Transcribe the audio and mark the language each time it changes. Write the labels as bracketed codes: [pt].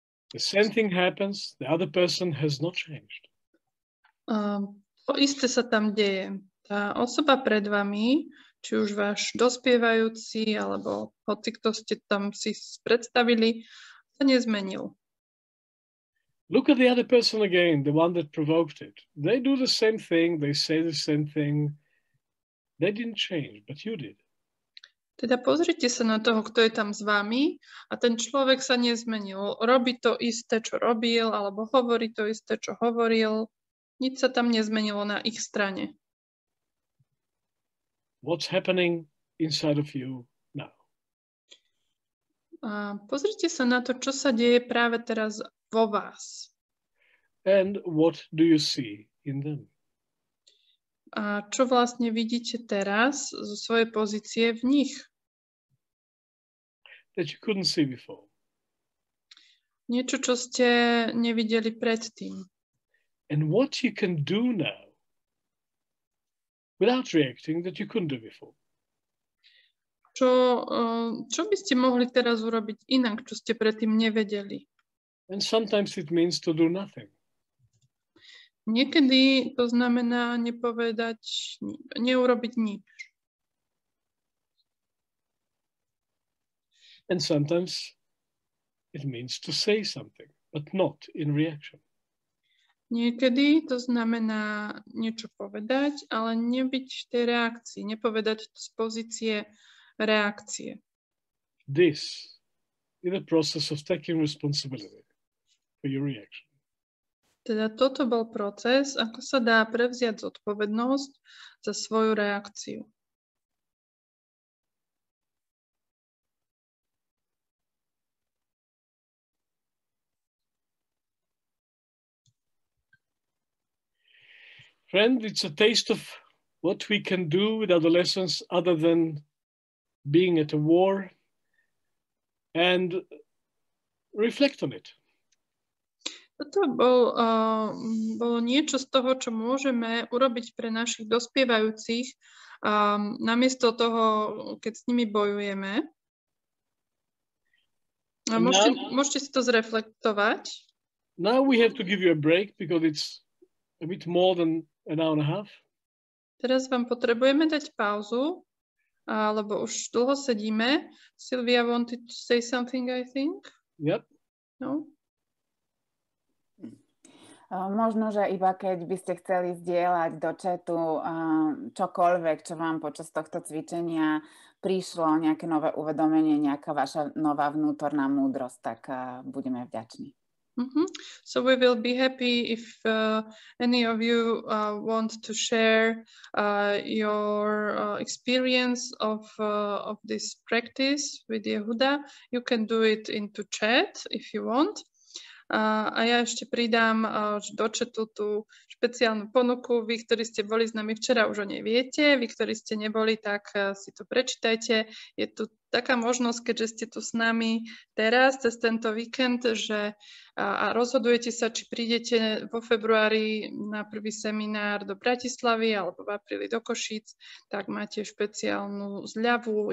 [en] The same thing happens, the other person has not changed. [sk] To isté sa tam deje. Tá osoba pred vami, či už váš dospievajúci, alebo hoci kto ste tam si predstavili, sa nezmenil. [en] Look at the other person again, the one that provoked it. They do the same thing, they say the same thing. They didn't change, but you did. [sk] Teda pozrite sa na toho, kto je tam s vami a ten človek sa nezmenil. Robí to isté, čo robil, alebo hovorí to isté, čo hovoril. Nič sa tam nezmenilo na ich strane. [en] What's happening inside of you now? [sk] A pozrite sa na to, čo sa deje práve teraz vo vás. [en] And what do you see in them? [sk] A čo vlastne vidíte teraz zo svojej pozície v nich? [en] That you couldn't see before. [sk] Niečo, čo ste nevideli predtým. [en] And what you can do now without reacting that you couldn't do before. [sk] Čo, čo by ste mohli teraz urobiť inak, čo ste predtým nevedeli? [en] And sometimes it means to do nothing. [sk] Niekedy to znamená nepovedať, neurobiť nič. [en] And sometimes it means to say something, but not in reaction. [sk] Niekedy to znamená niečo povedať, ale nebyť v tej reakcii, nepovedať z pozície reakcie. [en] This is a process of taking responsibility for your reaction. [sk] Teda toto bol proces, ako sa dá prevziať zodpovednosť za svoju reakciu. [en] Friend, it's a taste of what we can do with adolescents other than being at a war and reflect on it. [sk] Toto bolo niečo z toho, čo môžeme urobiť pre našich dospievajúcich namiesto toho, keď s nimi bojujeme. Môžete si to zreflektovať. [en] Now we have to give you a break because it's a bit more than an hour and a half. [sk] Teraz vám potrebujeme dať pauzu, lebo už dlho sedíme. [en] Silvia wanted to say something, I think. Yep. No. [sk] Možno, že iba keď by ste chceli zdieľať do chatu čokoľvek, čo vám počas tohto cvičenia prišlo, nejaké nové uvedomenie, nejaká vaša nová vnútorná múdrosť, tak budeme vďační. Mm-hmm. [en] So we will be happy if any of you want to share your experience of this practice with Yehuda. You can do it into chat if you want. [sk] A ja ešte pridám do chatu tú špeciálnu ponuku. Vy, ktorí ste boli s nami včera, už o nej viete. Vy, ktorí ste neboli, tak si to prečítajte. Je tu taká možnosť, keďže ste tu s nami teraz, cez tento víkend, že a rozhodujete sa, či prídete vo februári na prvý seminár do Bratislavy alebo v apríli do Košíc, tak máte špeciálnu zľavu.